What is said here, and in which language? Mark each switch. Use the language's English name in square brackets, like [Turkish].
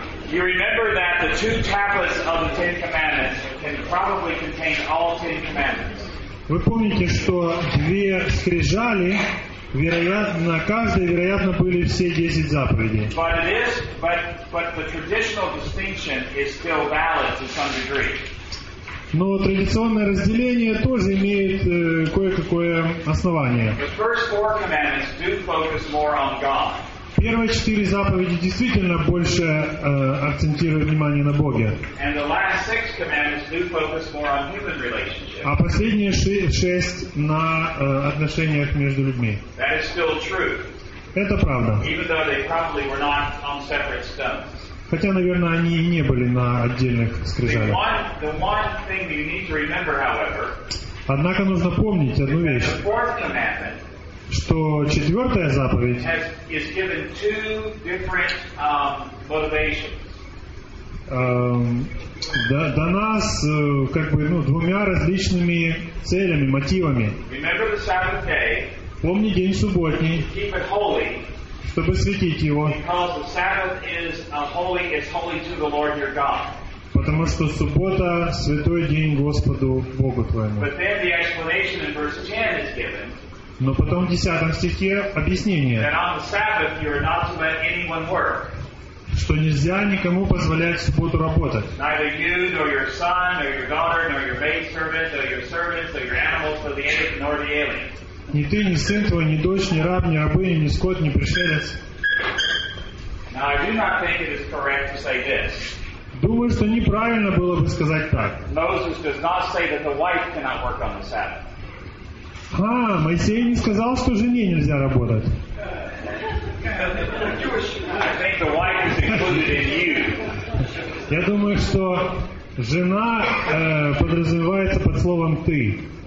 [English] You remember that the two tablets of the Ten Commandments can probably contain all Ten Commandments. [Russian] Вы помните, что две скрижали. Вероятно, каждый, вероятно, были все 10 заповедей. [English] But it is, but the traditional distinction is still valid to some degree. [Russian] Но традиционное разделение тоже имеет кое-какое основание. [English] The first four commandments do focus more on God. [Russian] Первые четыре заповеди действительно больше акцентируют внимание на Боге. [English] And the last six commandments do focus more on human relationships. [Russian] А последние шесть на отношениях между людьми. [English] That is still true. [Russian] Это правда. [English] Even though they probably were not on separate stones. [Russian] Хотя, наверное, они и не были на отдельных скрижалях. [English] The one thing you need to remember, however, [Russian] однако нужно помнить одну вещь. [English] The fourth commandment, [Russian] что четвертая заповедь [English] is given two different motivations. [Russian] Дана с как бы, ну, двумя различными целями, мотивами. [English] Remember the Sabbath day, [Russian] помни день субботний, [English] keep it holy, [Russian] чтобы светить его. [English] Because the Sabbath is holy to the Lord your God. [Russian] Потому что суббота – святой день Господу Богу твоему. [English] But then the explanation in verse 10 is given. [Russian] Но потом в 10 стихе объяснение. [English] And on the Sabbath you are not to let anyone work. [Russian] Что нельзя никому позволять в субботу работать. [English] Neither you, nor your son, nor your daughter, nor your maidservant, nor your servants, nor your animals, nor the native, nor the alien. [Russian] Ни ты, ни сын твой, ни дочь, ни раб, ни рабыня, ни скот, ни пришелец. [English] Now, I do not think it is correct to say this. [Russian] Думаю, что неправильно было бы сказать так. [English] Moses does not say that the wife cannot work on the Sabbath. [Russian] А, Моисей не сказал, что жене нельзя работать. [English] I think the wife is included in you. [Russian] Я думаю, что жена подразумевается под словом ты.